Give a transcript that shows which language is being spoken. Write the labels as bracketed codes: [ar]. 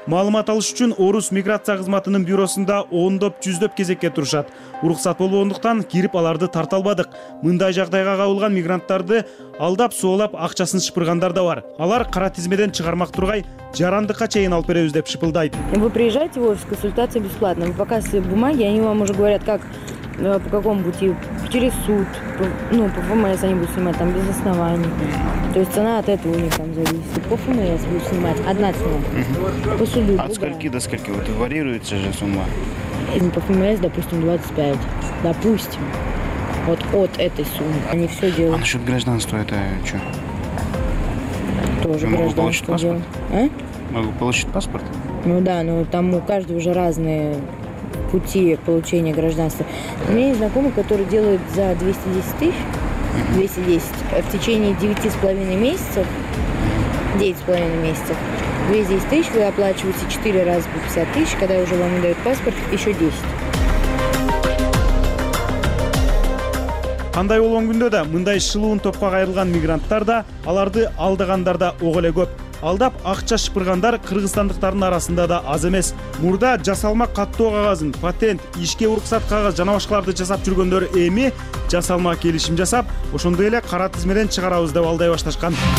[ky] Маалымат алыш үчүн Орус миграция кызматынын бюросунда ондоп жүздөп кезекке турушат. Уруксат болбогондуктан кирип аларды тарта албадык. Мындай жагдайга кабылган мигранттарды алдап соолап акчасын шыпыргандар да бар. Алар кара тизмеден чыгармак тургай жарандыкка чейин алып беребиз деп шыпылдайт. [ru] Вы приезжайте в Орус, консультация бесплатная. Вы показываете бумаги, они вам уже говорят, как по какому пути, через суд, по ФМС они будут снимать, там без оснований. То есть цена от этого у них там зависит. По ФМС будут снимать одна цена, по суду. От скольки до скольки? Вот варьируется же сумма. По ФМС, допустим, 25. Допустим, вот от этой суммы они все делают. А насчет гражданства это что? Тоже гражданство дело. Могу получить паспорт? Ну да, но там у каждого уже разные пути получения гражданства. У меня есть знакомый, который делает за 210 тысяч в течение 9,5 месяцев 210 тысяч вы оплачиваете 4 раза по 50 тысяч, когда уже вам дают паспорт, еще 10. [ky] Кандай болгон күндө да мындай шылуун топко кайрылган мигранттар да, аларды алдагандар да ок эле көп. Алдап акча шыпыргандар кыргызстандыктардын арасында да аз эмес. Мурда жасалма каттоо кагазын, патент, ишке уруксат кагаз жана башкаларды жасап жүргөндөр эми жасалма келишим жасап, ошондой эле кара тизмеден чыгарабыз деп алдай башташкан.